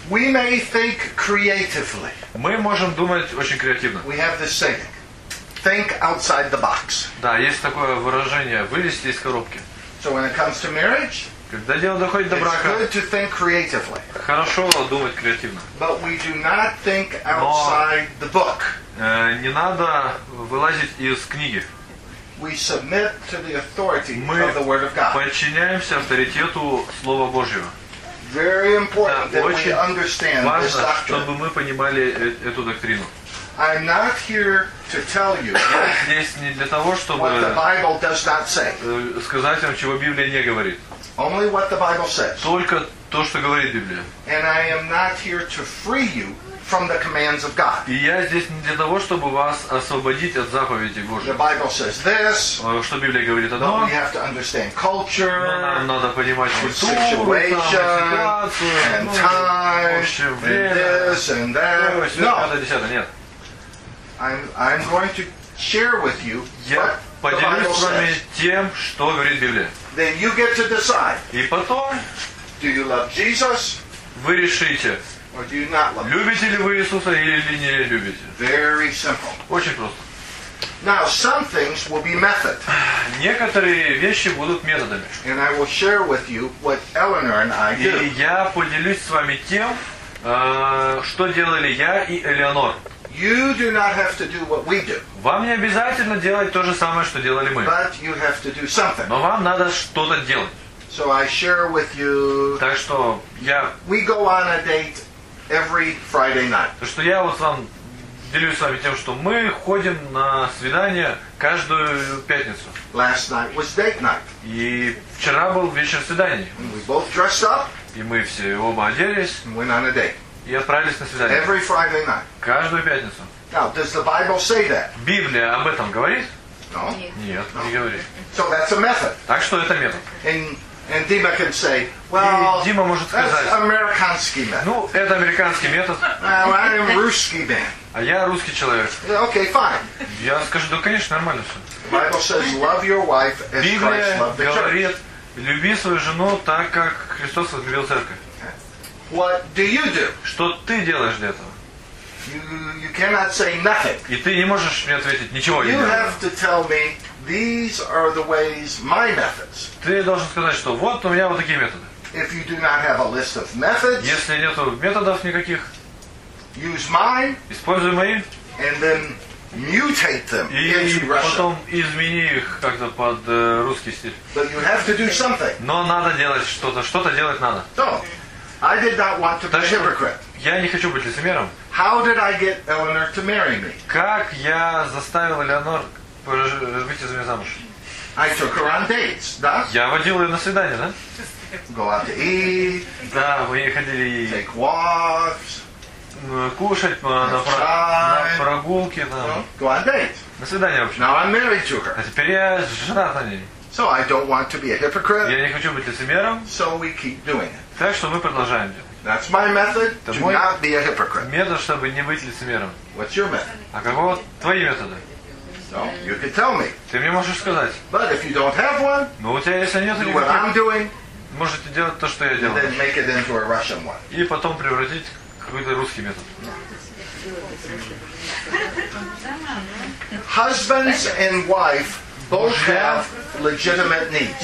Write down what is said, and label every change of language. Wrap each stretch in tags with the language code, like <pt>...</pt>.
<en>We may think creatively.</en> <ru>Мы можем думать очень креативно.</ru> <en>We have this saying. Think outside the box.</en> <ru>Да, есть такое выражение. Вылезти из коробки.</ru> <en>So when it comes to marriage,</en> <ru>когда дело доходит до брака,</ru> <en>it's good to think creatively.</en> <ru>Хорошо думать креативно.</ru> <en>But we do not think outside the book.</en> <ru>Не надо вылазить из книги.</ru> <en>We submit to the authority of the Word of God.</en> <ru>Мы подчиняемся авторитету Слова Божьего.</ru> <en>Very important that we understand this doctrine.</en> <ru>Важно, чтобы мы понимали эту доктрину.</ru> <en>I'm not here to tell you.</en> <ru>Я здесь не для того, чтобы</ru> <en>what the Bible does not say.</en> <ru>Сказать вам, чего Библия не говорит.</ru> <en>Only what the Bible says.</en> <ru>Только то, что говорит Библия.</ru> <en>And I am not here to free you from the commands of God.</en> <ru>И я здесь не для того, чтобы вас освободить от заповедей Божьих.</ru> <en>The Bible says this.</en> <ru>Что Библия говорит о том?</ru> <en>We have to understand culture.</en> <ru>Нам надо понимать культуру, ситуацию,</ru> <en>and time, and this and that. No.</en> <ru>Нет.</ru> <en>I'm going to share with you what the Bible says.</en> <ru>Я поделюсь с вами тем, что говорит Библия.</ru> <en>Then you get to decide.</en> <ru>И потом,</ru> <en>do you love Jesus?</en> <ru>Вы решите.</ru> <en>Or do you not love?</en> <ru>Любите ли вы Иисуса или не любите?</ru> <en>Very simple.</en> <ru>Очень просто.</ru> <en>Now some things will be method.</en> <ru>Некоторые вещи будут методами.</ru> <en>And I will share with you what Eleanor and I do.</en> <ru>И я поделюсь с вами тем, что делали я и Элеонор.</ru> <en>You do not have to do what we do.</en> <ru>Вам не обязательно делать то же самое, что делали мы.</ru> <en>But you have to do something.</en> <ru>Но вам надо что-то делать.</ru> <en>So I share with you.</en> <ru>Так что я.</ru> <en>We go on a date every Friday night.</en> <ru>То что я вот вам делюсь с вами тем, что мы ходим на свидания каждую пятницу.</ru> <en>Last night was date night.</en> <ru>И вчера был вечер свиданий.</ru> <en>And we both dressed up.</en> <ru>И мы все оба оделись.</ru> <en>And went on a date.</en> <ru>И отправились на свидание.</ru> <en>Every Friday night.</en> <ru>Каждую пятницу.</ru> <en>Now, does the Bible say that?</en> <ru>Библия об этом говорит?</ru> <en>No.</en> <ru>Нет, не говорит.</ru> <en>So that's a method.</en> <ru>Так что это метод.</ru> <en>And Dima can say, well,</en> <ru>Дима может сказать,</ru> <en>that's</en> <ru>американский метод. Ну, это американский метод.</ru> <en>I am</en> <ru>русский</ru> <en>man.</en> <ru>А я русский человек.</ru> <en>Okay, fine.</en> <ru>Я скажу, да, конечно, нормально все.</ru> <en>Bible says, love your wife as</en> <ru>Библия</ru> <en>Christ loved the church.</en> <ru>Говорит, люби свою жену так, как Христос возлюбил церковь.</ru> <en>What do you do?</en> <ru>Что ты делаешь для этого?</ru> <en>You cannot say nothing.</en> <ru>И ты не можешь мне ответить ничего.</ru> <en>You have to tell me these are the ways, my methods.</en> <ru>Ты должен сказать, что вот у меня вот такие методы.</ru> <en>If you do not have a list of methods,</en> <ru>если нету методов никаких,</ru> <en>use mine.</en> <ru>Используй мои.</ru> <en>And then mutate them into Russian.</en> <ru>И потом измени их как-то под русский стиль.</ru> <en>But you have to do something.</en> <ru>Но надо делать что-то. Что-то делать надо.</ru> <en>So, I did not want to be a hypocrite.</en> <ru>Я не хочу быть лицемером.</ru> <en>How did I get Eleanor to marry me?</en> <ru>Как я заставил Элеонор выйти за меня замуж?</ru> <en>I took her on dates,</en> <ru>да? Я водил ее на свидание, да?</ru> <en>Go out to eat.</en> <ru>Да, мы ходили.</ru> <en>Take walks.</en> <ru>Кушать на прогулки, да.</ru> <en>Go on dates.</en> <ru>На свидание, в общем.</ru> <en>Now I'm married to her.</en> <ru>А теперь я женат на ней.</ru> <en>So I don't want to be a hypocrite.</en> <ru>Я не хочу быть лицемером.</ru> <en>So we keep doing it.</en> <ru>Так что мы продолжаем делать.</ru> <en>That's my method. To not be a hypocrite.</en> <ru>Метод, чтобы не быть лицемером.</ru> <en>What's your method?</en> <ru>А каково твои методы?</ru> <en>So you can tell me.</en> <ru>Ты мне можешь сказать.</ru> <en>But if you don't have one,</en> <ru>ну у тебя если нет,</ru> <en>do what I'm doing.</en> <ru>Можете делать то, что я делаю.</ru> <en>And then make it into a Russian one.</en> <ru>И потом превратить в какой-то русский метод.</ru> <en>Husbands and wife both have legitimate needs.</en>